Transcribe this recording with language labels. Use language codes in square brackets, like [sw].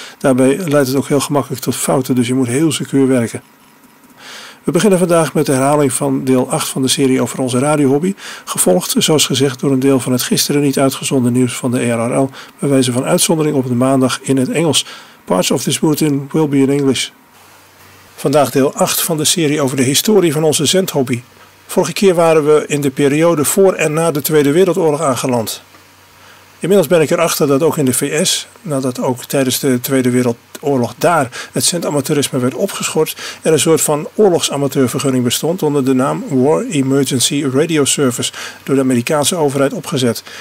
[nl] Daarbij leidt het ook heel gemakkelijk tot fouten, dus je moet heel secuur werken. We beginnen vandaag met de herhaling van deel 8 van de serie over onze radiohobby, gevolgd, zoals gezegd, door een deel van het gisteren niet uitgezonden nieuws van de ERRL, bij wijze van uitzondering op de maandag in het Engels. [en] Parts of this bulletin will be in English. [nl] Vandaag deel 8 van de serie over de historie van onze zendhobby. Vorige keer waren we in de periode voor en na de Tweede Wereldoorlog aangeland. Inmiddels ben ik erachter dat ook in de VS, nadat ook tijdens de Tweede Wereldoorlog daar het zendamateurisme werd opgeschort, er een soort van oorlogsamateurvergunning bestond onder de naam War Emergency Radio Service, door de Amerikaanse overheid opgezet.